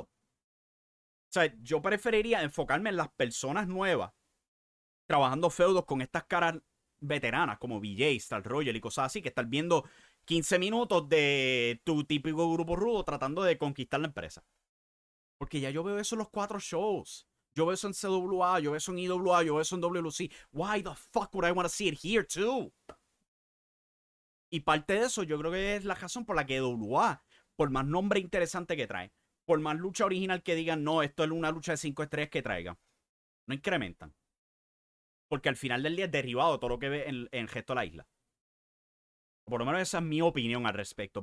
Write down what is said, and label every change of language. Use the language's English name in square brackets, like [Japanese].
[Spanish] O sea, yo preferiría enfocarme en las personas nuevas, trabajando feudos con estas caras veteranas, como BJ, Star Roger y cosas así, que estar viendo 15 minutos de tu típico grupo rudo tratando de conquistar la empresa. Porque ya yo veo eso en los cuatro shows. Yo veo eso en CWA, yo veo eso en IWA, yo veo eso en WLC. [English] Why the fuck would I want to see it here too? [Spanish] Y parte de eso, yo creo que es la razón por la que WA, por más nombre interesante que trae, por más lucha original que digan, no, esto es una lucha de 5 estrellas que traiga, no incrementan. Porque al final del día es derribado todo lo que ve en el resto de la isla. Por lo menos esa es mi opinión al respecto.